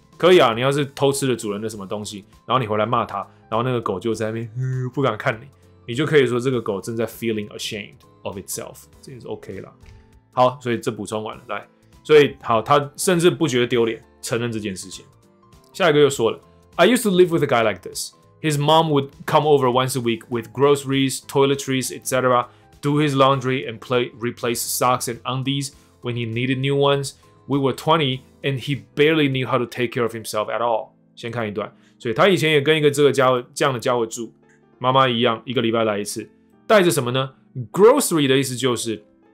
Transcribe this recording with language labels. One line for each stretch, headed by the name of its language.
Chinese: 可以啊，你要是偷吃了主人的什么东西，然后你回来骂它，然后那个狗就在那边不敢看你，你就可以说这个狗正在
English: feeling ashamed of itself，
Chinese: 这也是 OK 啦。好，所以这补充完了，来。所以好，他甚至不觉得丢脸，承认这件事情。下一个又说了
English: ，I used to live with a guy like this. His mom would come over once a week with groceries, toiletries, etc. Do his laundry and replace socks and undies when he needed new ones. We were 20 and he barely knew how to take care of himself at all.
Chinese: 先看一段，所以他以前也跟一个这样的家伙住，妈妈一样，一个礼拜来一次，带着什么呢 ？Grocery 的意思就是。